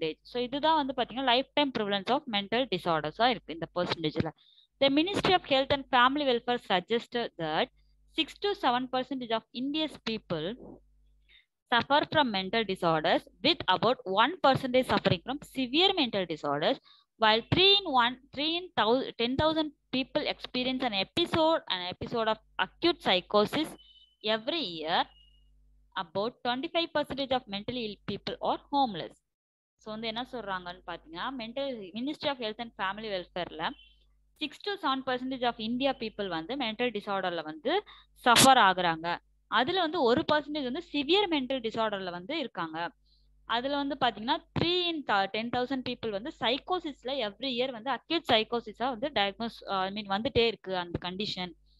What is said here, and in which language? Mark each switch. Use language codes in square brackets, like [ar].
[ta] So இதுதான் வந்து பார்த்தீங்கன்னா life time prevalence of mental டிசார்டர்ஸாக இருக்குது இந்த பர்சன்டேஜில். [en] The ministry of health and family welfare suggest that 6 to 7% of India's people suffer from mental disorders, with about 1% suffering from severe mental disorders, while 3 in 10,000 people experience an episode of acute psychosis every year. About 25% of mentally ill people are homeless. [ta] So வந்து என்ன சொல்றாங்கன்னு பாத்தீங்கன்னா mental ministry of health and family welfare ல 6 to 7% of India people வந்து mental டிசார்டரில் வந்து suffer ஆகுறாங்க. அதில் வந்து 1% வந்து சிவியர் மென்டல் டிசார்டரில் வந்து இருக்காங்க. அதில் வந்து பார்த்தீங்கன்னா 3 in 10,000 பீப்புள் வந்து சைக்கோசிஸில் எவ்ரி இயர் வந்து அக்யூட் சைக்கோசிஸாக வந்து டயக்னோஸ் ஐ மீன் வந்துகிட்டே இருக்குது அந்த கண்டிஷன்.